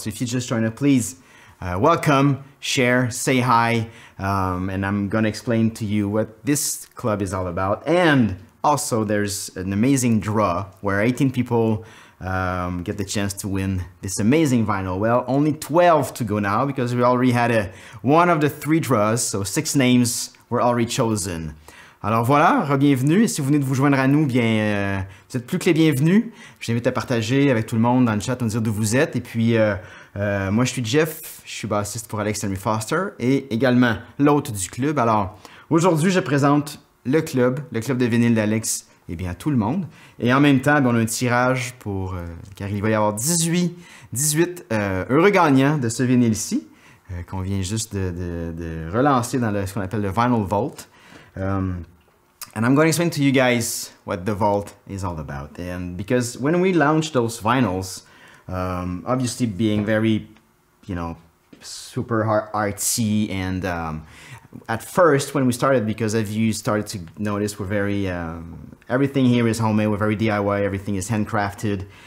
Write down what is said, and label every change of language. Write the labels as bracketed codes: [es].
[en] So if you just joined us, please welcome, share, say hi, and I'm gonna explain to you what this club is all about. And also, there's an amazing draw where 18 people get the chance to win this amazing vinyl. Well, only 12 to go now because we already had one of the three draws, so six names were already chosen. [fr] Alors voilà, re-bienvenue. Si vous venez de vous joindre à nous, bien, vous êtes plus que les bienvenus. Je vous invite à partager avec tout le monde dans le chat, à nous dire d'où vous êtes. Et puis, moi, je suis Jeff, je suis bassiste pour Alex Henry Foster et également l'hôte du club. Alors, aujourd'hui, je présente le club de vinyle d'Alex et bien tout le monde. Et en même temps, on a un tirage pour, car il va y avoir 18 heureux gagnants de ce vinyle-ci qu'on vient juste de relancer dans ce qu'on appelle le Vinyl Vault. [en] And I'm going to explain to you guys what the vault is all about. And because when we launched those vinyls, obviously being very, you know, super artsy and at first when we started, because as you started to notice, we're very, everything here is homemade, we're very DIY, everything is handcrafted.